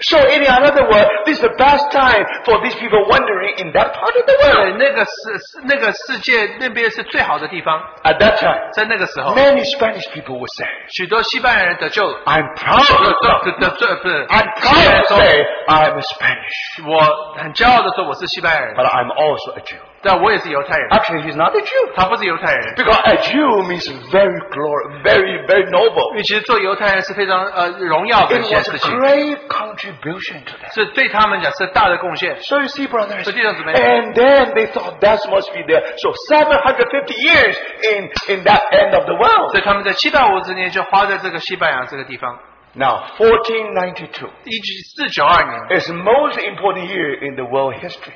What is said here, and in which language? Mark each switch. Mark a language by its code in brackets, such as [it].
[en] So in another word, this is the best time for these people wandering in that part of the world. [zh] 对,那个世界那边是最好的地方。 [en] At that time, [zh] 在那个时候, [en] many Spanish people would say, [zh] 许多西班牙人得救了, [en] I'm proud of them. I'm proud to say I'm Spanish. [zh] 我很骄傲地说我是西班牙人, [en] but I'm also a Jew. [zh] 但我也是犹太人。 [en] Actually, he's not a Jew. [zh] 他不是犹太人。 [en] Because a Jew means very glorious, very, very noble. [zh] 因为其实做犹太人是非常荣耀的。 [en] It was a great contribution to them. [zh] 是对他们讲是大的贡献。 [en] So you see, brothers, [zh] 所以弟兄姊妹, [en] and then they thought that must be there. So 750 years in that end of the world. [zh] 所以他们在750年就花在这个西班牙这个地方。 [en] Now, 1492 is the most important year in the world history.